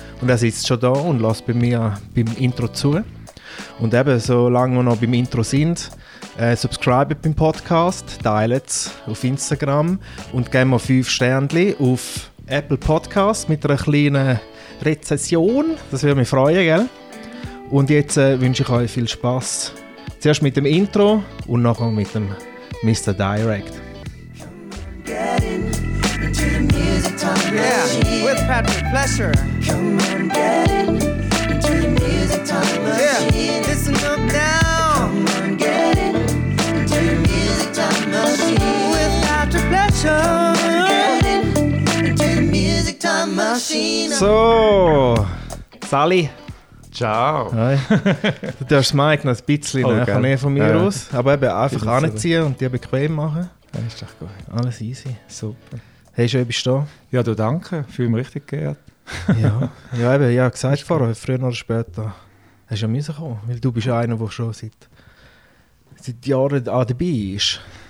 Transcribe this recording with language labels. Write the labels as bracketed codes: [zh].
[de] Und er sitzt schon da und lässt bei mir beim Intro zu. Und eben, solange wir noch beim Intro sind, subscribe beim Podcast, teilt es auf Instagram und geben mir 5 Sternchen auf Apple Podcast mit einer kleinen Rezension. Das würde mich freuen, gell? Und jetzt wünsche ich euch viel Spass. Zuerst mit dem Intro und nachher mit dem Mistah Direct. [en] Yeah, with Patrick Pleasure. Come on, get in into the music time machine. Yeah, listen up now. Come on, get in into the music time machine. With Patrick Pleasure. Come on, get in into the music time machine. [de] So, Sally. Ciao. Hi. Du darfst Mike noch ein bisschen näher von mir aus. Aber eben einfach anziehen und dir bequem machen. Das ist doch gut. Alles easy. Super. Hey, schön, bist du da? Ja, du, danke. Fühle mich richtig geehrt. Ja, eben, ja, gesagt vorher, früher oder später. Hast du ja müssen kommen, weil du bist einer, der schon seit Jahren dabei ist.